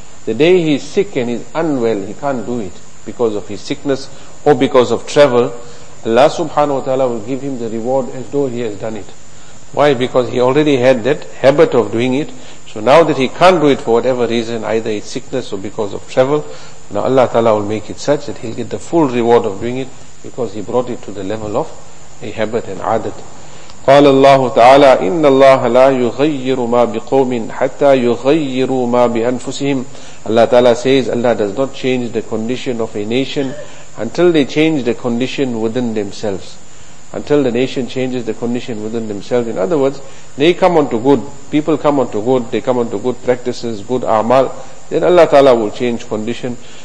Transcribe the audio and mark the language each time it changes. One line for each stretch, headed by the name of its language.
English: The day he's sick and he's unwell, he can't do it because of his sickness or because of travel, Allah subhanahu wa ta'ala will give him the reward as though he has done it. Why? Because he already had that habit of doing it. So now that he can't do it for whatever reason, either it's sickness or because of travel, now Allah ta'ala will make it such that he'll get the full reward of doing it because he brought it to the level of a habit and adat.
Arabic: قال الله تعالى إن الله لا يغير ما بقوم حتى يغيروا ما بأنفسهم.
English: Allah ta'ala says Allah does not change the condition of a nation until they change the condition within themselves. Until the nation changes the condition within themselves. In other words, they come onto good, people come onto good, they come onto good practices, good a'mal, then Allah Ta'ala will change conditions.